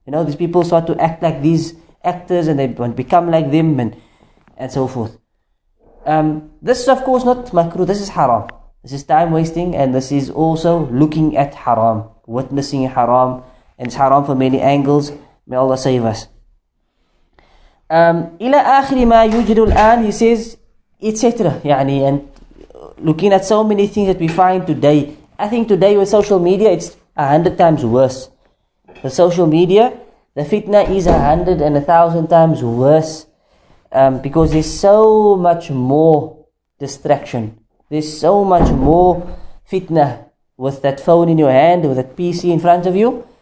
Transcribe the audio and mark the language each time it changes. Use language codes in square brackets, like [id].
[en] You know, these people start to act like these actors and they become like them and so forth. This is of course not makruh, this is haram. This is time wasting, and this is also looking at haram, witnessing haram, and it's haram from many angles. May Allah save us. [ar] إلى آخر ما يوجد الآن, [en] he says, etc. [ar] يعني, and [en] looking at so many things that we find today. I think today with social media, it's 100 times worse. The social media, the fitna is 100 and 1,000 times worse. Because there's so much more distraction. There's so much more fitna with that phone in your hand, with that PC in front of you.